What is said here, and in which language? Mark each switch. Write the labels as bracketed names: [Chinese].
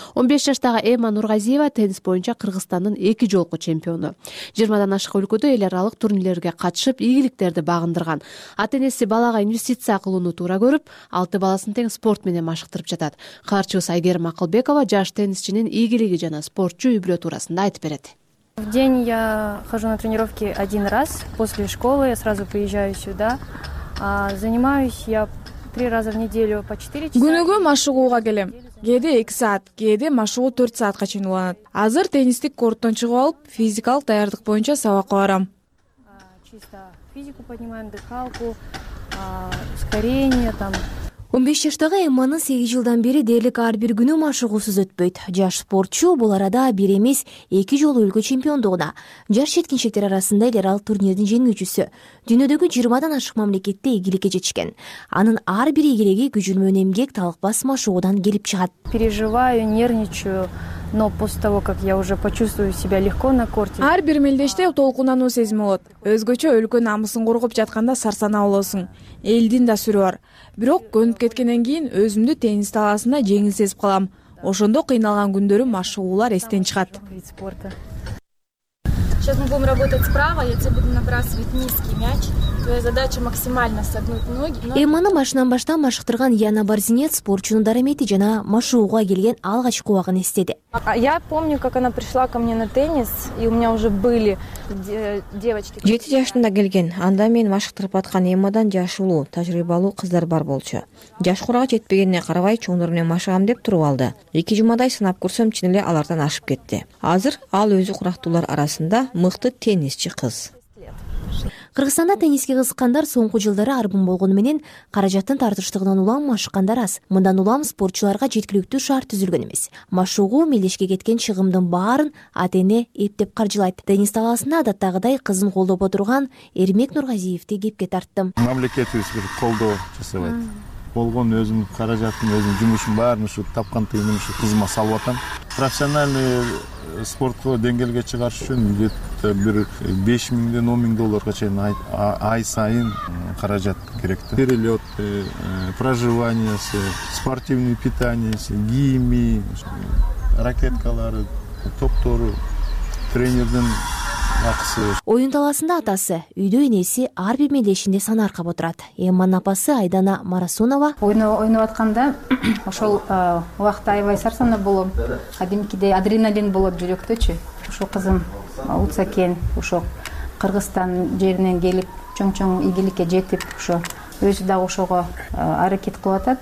[Kyrgyz] 15 жаштагы Эмма Нургазиева теннис боюнча Кыргызстандын 2 жолку чемпиону. 20-дан ашык өлкөдө эл аралык турнирлерге катышып, ийгиликтерди багындырган. Ата-энеси балага инвестиция кылууну туура көрүп, 6 баласын тең спорт менен машыктырып жатат. Каарчыбыз Айгерим Акылбекова жаш теннисчинин ийгилиги жана спортчу үй-бүлө туурасында айтып берет. [Russian] В день я хожу на тренировки один раз после школы, я сразу приезжаю сюда. Занимаюсь я 3 раза в неделю по 4 часа. [Kyrgyz] Күнүгө машыгууга келем. Кээде 2 саат, кээде машыгуу 4 саатка чейин уланат. Азыр теннистик корттон чыгып алып, физикалык даярдык боюнча сабакка барам. [Russian] Чисто физику поднимаем, дыхалку, ускорение там. [Kyrgyz] 15 жаштагы Эмманын 8 жылдан бери дээрлик ар бир күнү машыгуусуз өтпөйт. Жаш спортчу бул арада бир эмес 2 жолу өлкө чемпиондугуна, жаш жеткинчектер арасында эл аралык турнирдин жеңүүчүсү, дүйнөдөгү 20-дан ашык мамлекетте ийгиликке жетишкен. Анын ар бир ийгилиги күчүн менен эмгек талкбас машыгуудан келип чыгат. [Russian] Переживаю, нервничаю, но после того, как я уже почувствую себя легко на корте. [Kyrgyz] Ар бир мелдеште толкунануу сезими болот. Өзгөчө өлкө намысын коргоп жатканда сарсана болосуң. Элдин да сүрү бар. Бирок көнүп кеткенден кийин өзүмдү теннис талаасында жеңил сезип калам. Ошондо кыйналган күндөрүм машыгуулар эстен чыгат. [Russian] Сейчас мы будем работать справа, я тебе буду набрасывать низкий мяч. Твоя задача максимально согнуть ноги. [Kyrgyz] Эмманы машынан баштан машыктырган Яна Барзинец спортчунун дарамети жана машыгууга келген алгачкы убагын эстеди. [Russian] Я помню, как она пришла ко мне на теннис, и у меня уже были девочки. [Kyrgyz] 7 жашында келген, анда мен машыктырып аткан Эммадан жаш улуу, тажрыйбалуу кыздар бар болчу. Жаш курага жетпегенине карабай чоңдор менен машыгам деп туруп алды. 2 жумадай сынап көрсөм, чын эле алардан ашып кетти. Азыр ал өзү курактуулар арасында мыкты теннисчи кыз. Кыргызстанда тенниске кызыккандар соңку жылдары арбын болгону менен каражаттын тартыштыгынан улам машыккандар аз. Мындан улам спортчуларга жеткиликтүү шарт түзүлгөн эмес. Машыгуу мелдешке кеткен чыгымдын баарын атене эптеп каржылайт. Теннис талаасында адаттагыдай кызын колдоп отурган Эрмек Нургазиевди кепке тарттым. Мамлекетибиз бир колдоо жасабайт. Болгон өзүмдүн каражатым, өзүмдүн жумушум баарын ушу тапкан тыйыным ушу кызыма салып атам. Профессиональный спортко деңгээлге чыгарыш үчүн где-то бир 5000-ден 10000 долларга чейин ай сайын каражат керек. Перелет, проживаниесы, спортивный питаниеси, гими, ракеткалары, топтору, тренердин акысы. Оюн талаасында атасы, үйдө энеси ар бир мелдешинде сан аркап отурат. Эмманын апасы Айдана Марасонова. Ойноп атканда ошол убакта аябай сарсана болом. Кадимкидей адреналин болот жүрөктөчү. Ушул кызым утса экен, ушу Кыргызстан жеринен келип, чоң-чоң ийгиликке жетип, ушу өзү дагы ошого аракет кылып атат.